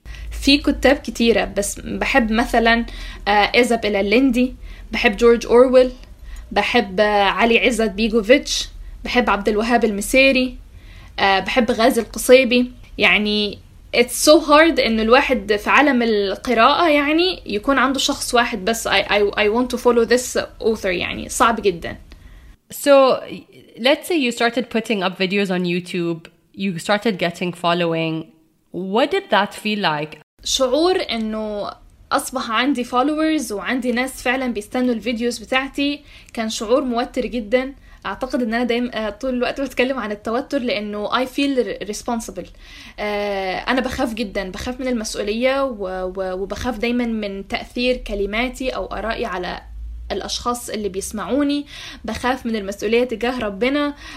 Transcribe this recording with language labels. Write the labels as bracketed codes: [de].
[ar] في كتاب كتيرة, بس بحب مثلا إيزاب إلى ليندي, بحب جورج أورويل, بحب علي عزت بيجوفيتش, بحب عبد الوهاب المسيري, بحب غازي القصيبي. يعني [en] it's so hard [ar] إنه الواحد في عالم القراءة يعني يكون عنده شخص واحد بس. [en] I want to follow this author, [ar] يعني صعب جدا. [en] So let's say you started putting up videos on YouTube, you started getting following, what did that feel like? [ar] شعور إنه أصبح عندي followers وعندي ناس فعلا بيستنوا الفيديوز بتاعتي كان شعور موتر جدا. أعتقد أن أنا دايما طول الوقت بتكلم عن التوتر لأنه [en] I feel responsible. [ar] أنا بخاف جدا, بخاف من المسؤولية, وبخاف دايما من تأثير كلماتي أو أرائي على الأشخاص اللي بيسمعوني, بخاف من المسؤولية تجاه ربنا.